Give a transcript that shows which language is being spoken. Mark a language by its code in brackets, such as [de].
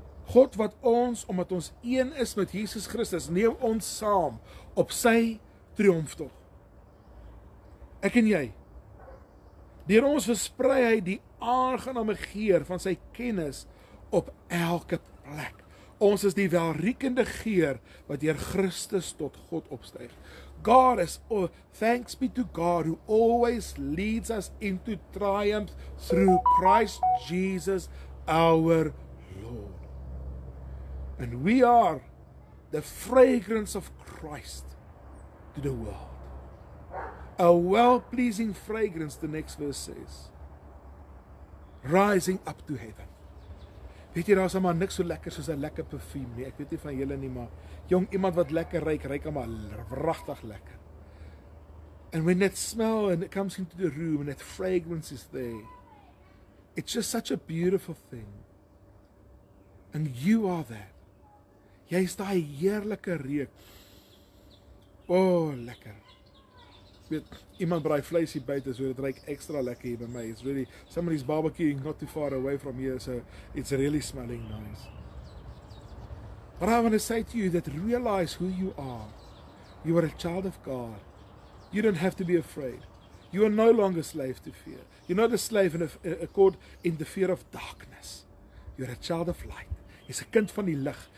[af] God wat ons, omdat ons een is met Jesus Christus, neem ons saam op sy triomftog. Ek en jy, deur ons versprei hy die aangename geur van sy kennis op elke plek. Ons is die welriekende geur wat deur Christus tot God opstyg. [en] God is, oh, thanks be to God who always leads us into triumph through Christ Jesus our Lord. And we are the fragrance of Christ to the world. A well-pleasing fragrance, the next verse says, rising up to heaven. [af] Weet jy, daar is maar niks so lekker soos 'n lekker parfum nie. Ek weet nie van julle nie, maar jong, iemand wat lekker ruik, ruik maar wragtig lekker. [en] And when that smell and it comes into the room and that fragrance is there, it's just such a beautiful thing. And you are that. [af] Jy is daai heerlike reuk. Oh, lekker. Weet, iemand braai vleis hier buiten, so dit ruik extra lekker hier by my. [en] It's really, somebody's barbecuing not too far away from here, so it's really smelling nice. But I want to say to you that realize who you are. You are a child of God. You don't have to be afraid. You are no longer slave to fear. You're not a slave in a cord in the fear of darkness. You're a child of light. [af] Jy's 'n kind van die lig.